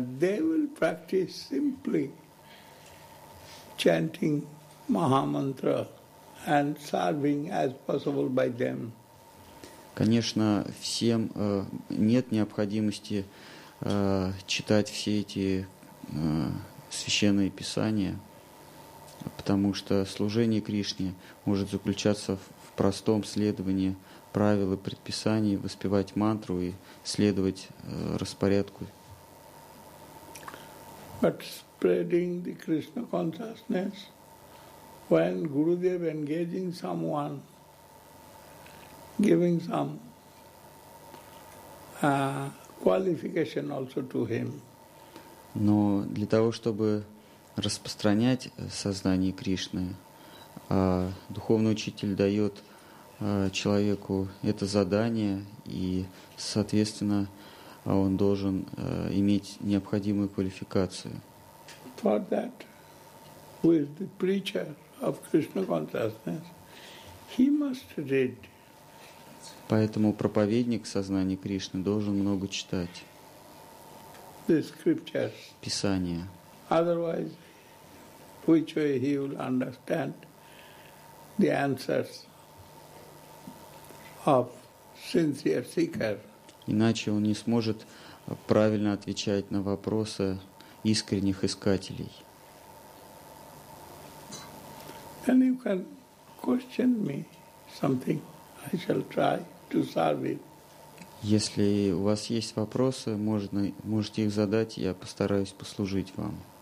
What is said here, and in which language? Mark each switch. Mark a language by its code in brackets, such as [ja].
[en] They will practice simply chanting Mahamantra and serving as possible by them. [ru] Конечно, всем нет необходимости читать все эти священные писания, потому что служение Кришне может заключаться в простом следовании правил и предписаний, воспевать мантру и следовать распорядку. [en] But spreading the Krishna consciousness, when Gurudev engaging someone, giving some qualification also to him. [ru] Но для того, чтобы распространять сознание Кришны, духовный учитель дает человеку это задание, и, соответственно, он должен иметь необходимую квалификацию. [en] For that, who is the preacher of Krishna consciousness, he must read. [ru] Поэтому проповедник сознания Кришны должен много читать [en] the scriptures. [ru] Писание. [en] Otherwise, which way he will understand the answers of sincere seeker. [ru] Иначе он не сможет правильно отвечать на вопросы искренних искателей. [en] Then you can question me something. I shall try to solve it. [ru] Если у вас есть вопросы, можете их задать, я постараюсь послужить вам.